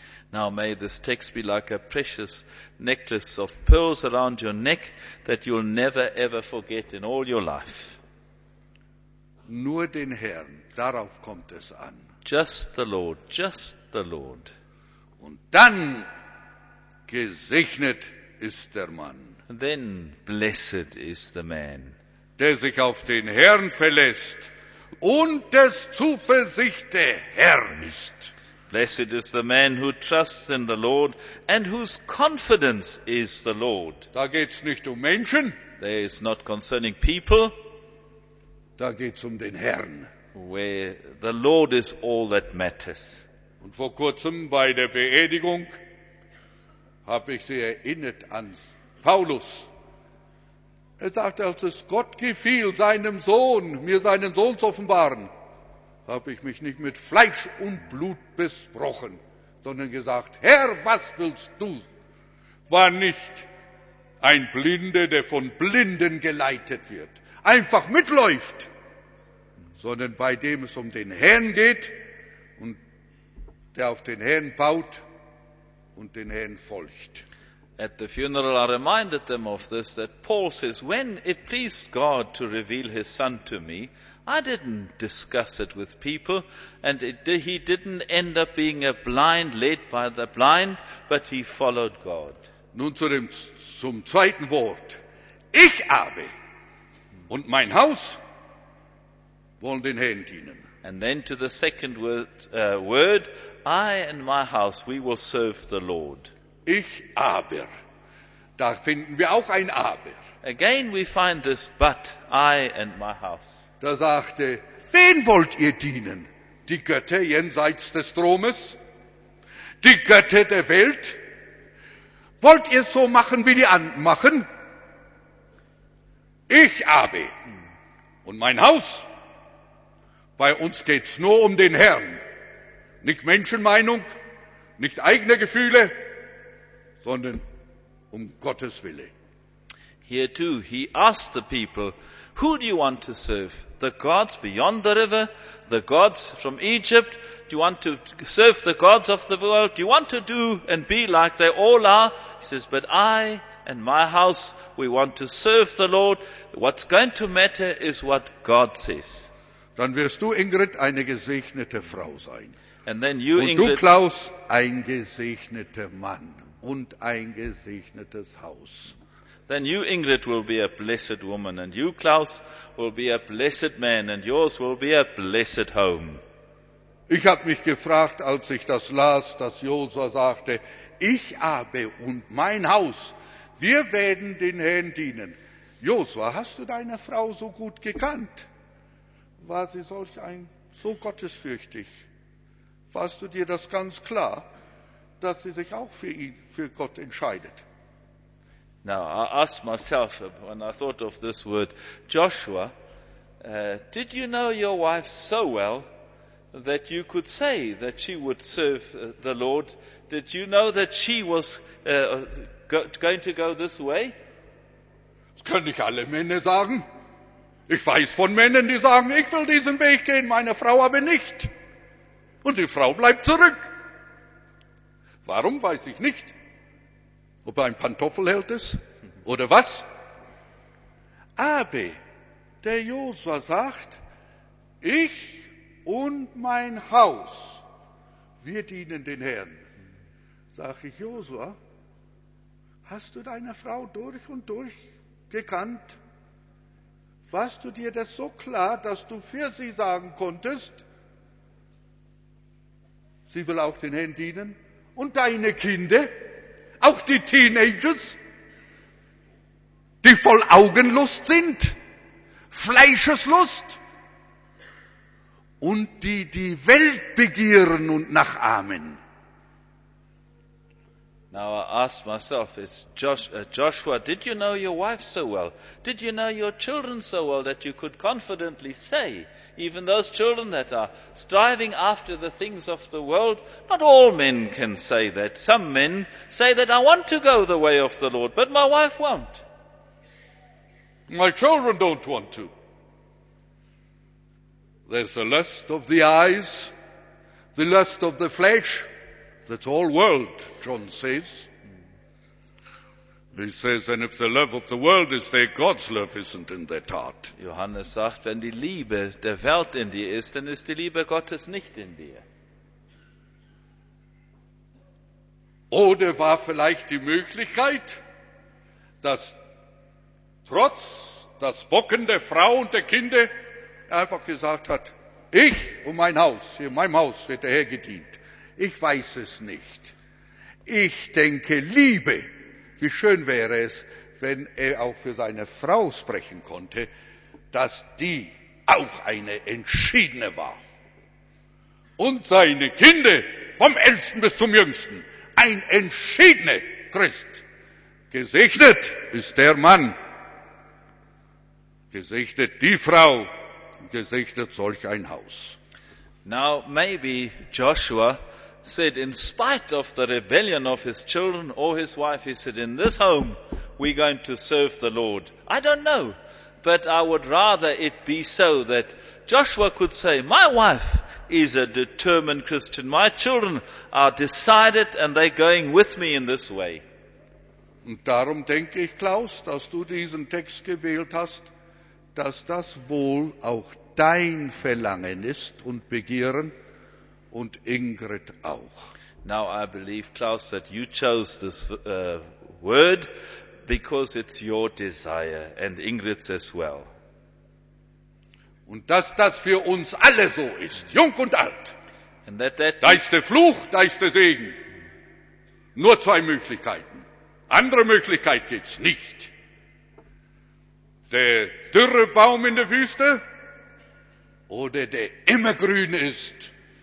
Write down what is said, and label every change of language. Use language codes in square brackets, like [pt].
[en] Now may this text be like a precious necklace of pearls around your neck that you'll never ever forget in all your life. [de] Nur den Herrn, darauf kommt es an. [en] Just the Lord, just the Lord. [de] Und dann gesegnet ist der Mann. [en] Then blessed is the man. [de] Der sich auf den Herrn verlässt und des Zuversicht der Herr ist. [en] Blessed is the man who trusts in the Lord and whose confidence is the Lord. [de] Da geht's nicht um Menschen. [en] There is not concerning people. [de] Da geht's um den Herrn. [en] Where the Lord is all that matters. [de] Und vor kurzem bei der Beerdigung habe ich sie erinnert an Paulus. Er sagte, als es Gott gefiel, seinem Sohn, mir seinen Sohn zu offenbaren, habe ich mich nicht mit Fleisch und Blut besprochen, sondern gesagt, Herr, was willst du? War nicht ein Blinder, der von Blinden geleitet wird, einfach mitläuft, sondern bei dem es um den Herrn geht und der auf den Herrn baut und den Herrn folgt. [en] At the funeral I reminded them of this, that Paul says, when it pleased God to reveal his son to me, I didn't discuss it with people, and he didn't end up being a blind led by the blind, but he followed God. [de] Nun zum zweiten Wort. Ich aber und mein Haus wollen den Herrn dienen. [en] And then to the second word, I and my house, we will serve the Lord. [de] Ich aber. Da finden wir auch ein aber. [en] Again we find this but, I and my house. [de] Da sagte, wen wollt ihr dienen? Die Götter jenseits des Stromes? Die Götter der Welt? Wollt ihr so machen, wie die anderen machen? Ich aber. Und mein Haus. Bei uns geht's nur um den Herrn. Nicht Menschenmeinung, nicht eigene Gefühle, sondern um Gottes Wille. [en] Here too, he asked the people, who do you want to serve? The gods beyond the river? The gods from Egypt? Do you want to serve the gods of the world? Do you want to do and be like they all are? He says, but I and my house, we want to serve the Lord. What's going to matter is what God says. [de] Dann wirst du, Ingrid, eine gesegnete Frau sein. [en] And then you, [de] und du, Klaus, ein gesegneter Mann und ein gesegnetes Haus. [en] Then you, Ingrid, will be a blessed woman, and you, Klaus, will be a blessed man, and yours will be a blessed home. [de] Ich habe mich gefragt, als ich das las, dass Josua sagte, ich aber und mein Haus, wir werden den Herrn dienen. Josua, hast du deine Frau so gut gekannt? War sie solch ein so gottesfürchtig? Warst du dir das ganz klar, dass sie sich auch für Gott entscheidet? [en] Now, I asked myself, when I thought of this word, Joshua, did you know your wife so well that you could say that she would serve the Lord? Did you know that she was going to go this way? [de] Das können nicht alle Männer sagen. Ich weiß von Männern, die sagen, ich will diesen Weg gehen, meine Frau aber nicht. Und die Frau bleibt zurück. Warum, weiß ich nicht. Ob er ein Pantoffel hält es oder was. Aber der Josua sagt, ich und mein Haus, wir dienen den Herrn. Sag ich, Josua, hast du deine Frau durch und durch gekannt? Warst du dir das so klar, dass du für sie sagen konntest, sie will auch den Herrn dienen? Und deine Kinder? auch die Teenagers, die voll Augenlust sind, Fleischeslust und die die Welt begehren und nachahmen. [en] Now I ask myself, it's Joshua, did you know your wife so well? Did you know your children so well that you could confidently say, even those children that are striving after the things of the world, not all men can say that. Some men say that I want to go the way of the Lord, but my wife won't. My children don't want to. There's the lust of the eyes, the lust of the flesh. That's all world, John says. He says, and if the love of the world is there, God's love isn't in their heart. [de] Johannes sagt, wenn die Liebe der Welt in dir ist, dann ist die Liebe Gottes nicht in dir. Oder war vielleicht die Möglichkeit, dass trotz das Bocken der Frau und der Kinder einfach gesagt hat, ich und mein Haus, hier in meinem Haus wird der Herr gedient. Ich weiß es nicht. Ich denke, Liebe, wie schön wäre es, wenn er auch für seine Frau sprechen konnte, dass die auch eine Entschiedene war. Und seine Kinder, vom Ältesten bis zum Jüngsten, ein entschiedener Christ. Gesegnet ist der Mann. Gesegnet die Frau. Gesegnet solch ein Haus. [en] Now, maybe Joshua said, in spite of the rebellion of his children or his wife, he said, in this home, we're going to serve the Lord. I don't know, but I would rather it be so that Joshua could say, my wife is a determined Christian. My children are decided and they're going with me in this way. [de] Und darum denke ich, Klaus, dass du diesen Text gewählt hast, dass das wohl auch dein Verlangen ist und Begehren, und Ingrid auch. [en] Now I believe, Klaus, that you chose this word because it's your desire and Ingrid's as well. [de] Und dass das für uns alle so ist, jung und alt. [en] And that [de] da ist der Fluch, da ist der Segen. Nur zwei Möglichkeiten. Andere Möglichkeit gibt's nicht. Der dürre Baum in der Wüste oder der immergrün ist.